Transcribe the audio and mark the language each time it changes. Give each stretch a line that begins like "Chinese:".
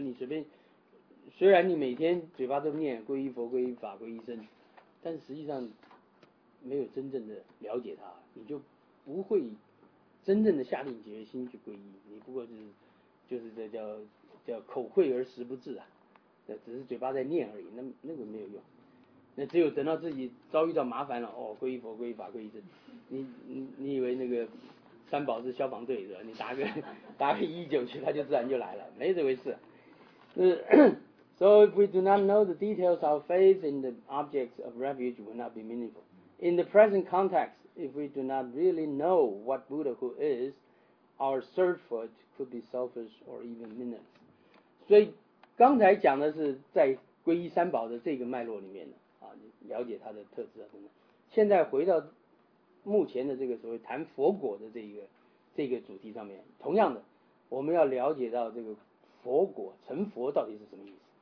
Chinese: 你随便，虽然你每天嘴巴都念皈依佛、皈依法、皈依僧，但实际上没有真正的了解它，你就不会真正的下定决心去皈依，你不过就是这叫口惠而实不至啊，那只是嘴巴在念而已，那个没有用。那只有等到自己遭遇到麻烦了，哦，皈依佛、皈依法、皈依僧，你以为那个三宝是消防队是吧？你打个119去，他就自然就来了，没这回事。
English: So if we do not know the details, our faith in the objects of refuge will not be meaningful. In the present context, if we do not really know what Buddhahood is, our search for it could be selfish or even meaningless.
Chinese: 所以刚才讲的是在皈依三宝的这个脉络里面的。了解它的特质啊等等。现在回到目前的这个所谓谈佛果的这个主题上面，同样的，我们要了解到这个佛果成佛到底是什么意思。